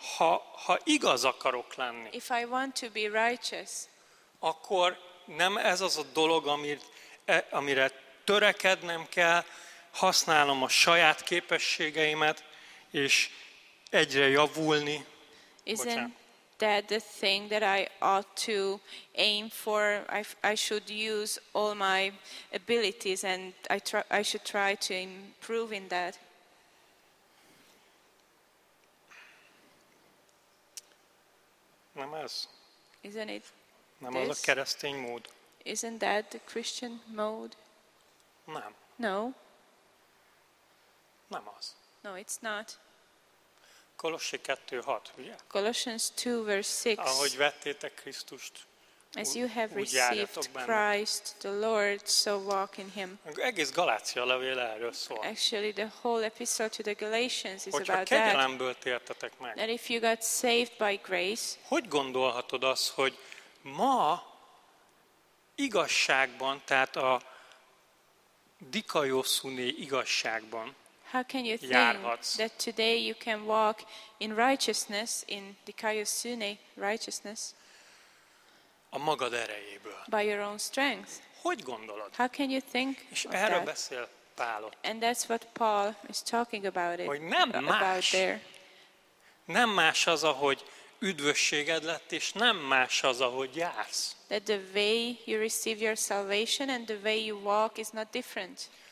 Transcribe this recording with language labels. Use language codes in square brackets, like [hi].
[hu] ha igaz akarok lenni, [en] if I want to be righteous, [hu] akkor nem ez az a dolog, amire törekednem kell, használom a saját képességeimet, és egyre javulni. [en] Isn't that the thing that I ought to aim for? I should use all my abilities and I should try to improve in that. [hu] Nem ez. [en] Isn't it? [hu] Nem az a keresztény mód. [en] Isn't that the Christian mode? [hu] Nem. [en] No. [hu] Nem az. [en] No, it's not. [hu] Kolossi 2:6, ugye? [en] Colossians 2:6. [hu] Ahogy vettétek Krisztust, [en] as you have received Christ the Lord, so walk in him. [hu] Egész Galácia levél erről szól. [en] Actually, the whole epistle to the Galatians is about that. [hu] Hogyha kegyelemből tértetek meg. [en] That if you got saved by grace. [hu] Hogy gondolhatod azt, hogy ma igazságban, tehát a dikaioszuné igazságban, [en] how can you think [hu] járhatsz. [en] That today you can walk in righteousness, in dikaiosune righteousness? [hu] A magad erejéből. [en] By your own strength. [hu] Hogy gondolod? [en] How can you think? [hu] És erről beszél Pál. [en] And that's what Paul is talking about it. [hu] Hogy nem más. [en] About there. [hu] Nem más az, ahogy üdvösséged lett, és nem más az, ahogy jársz. [en] That the way you receive your salvation and the way you walk is not different.